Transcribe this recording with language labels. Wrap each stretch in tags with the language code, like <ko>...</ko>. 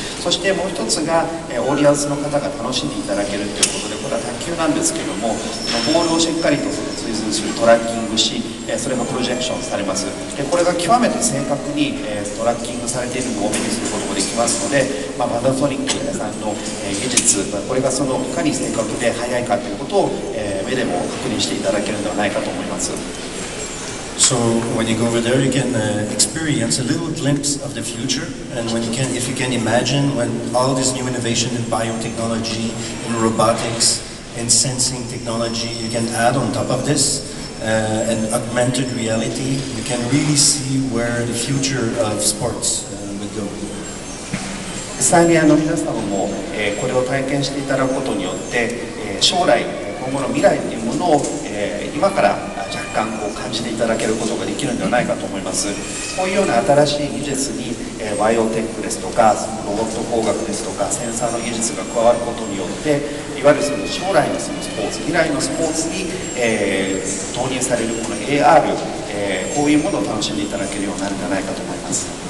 <ja>そしてもう1つが、オーディエンスの方が楽しんでいただけるということで、これは卓球なんですけれども、そのボールをしっかりと追随するトラッキングし、それがプロジェクションされます。でこれが極めて正確に、トラッキングされているのを目にすることもできますので、まあ、パナソニックさんの、技術、まあ、これがそのいかに正確で速いかということを、目でも確認していただけるのではないかと思います。</ja> <en>So when you go over there you can、experience a little glimpse of the future and when you can, if you can imagine when all this new innovation in biotechnology in robotics in sensing technology you can add on top of thisAn augmented reality, you can really see where the future of sports would go.</en> <ja>実際にあの皆様も、これを体験していただくことによって、将来、今後の未来というものを、今から若干こう感じていただけることができるのではないかと思います。こういうような新しい技術に、バイオテックですとかそのロボット工学ですとかセンサーの技術が加わることによっていわゆるその将来 の, そのスポーツ未来のスポーツに、導入されるこの AR、こういうものを楽しんでいただけるようになるんではないかと思います。</ja>